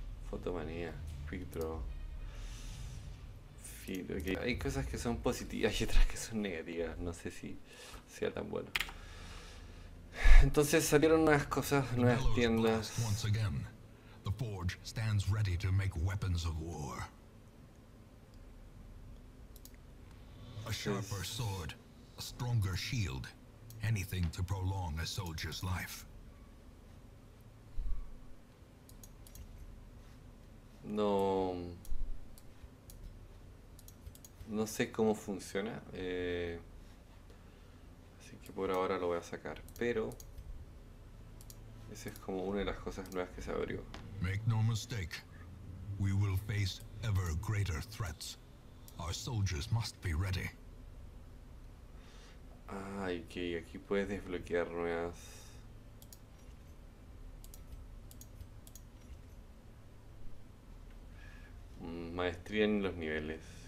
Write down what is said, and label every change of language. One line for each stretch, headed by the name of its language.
English: Fotomanía. Quick draw.
Spanish: Okay. Hay cosas que son positivas y otras que son negativas. No sé si sea tan bueno. Entonces salieron unas cosas, nuevas tiendas.
English: Once again, the forge stands ready to make weapons of war. A sharper sword, a stronger shield, anything to prolong a soldier's life.
Spanish: No. No sé cómo funciona, así que por ahora lo voy a sacar, pero esa es como una de las cosas nuevas que se abrió.
English: Make no mistake, we will face ever greater threats. Our soldiers must be ready.
Spanish: Ay, que aquí puedes desbloquear nuevas. Maestría en los niveles.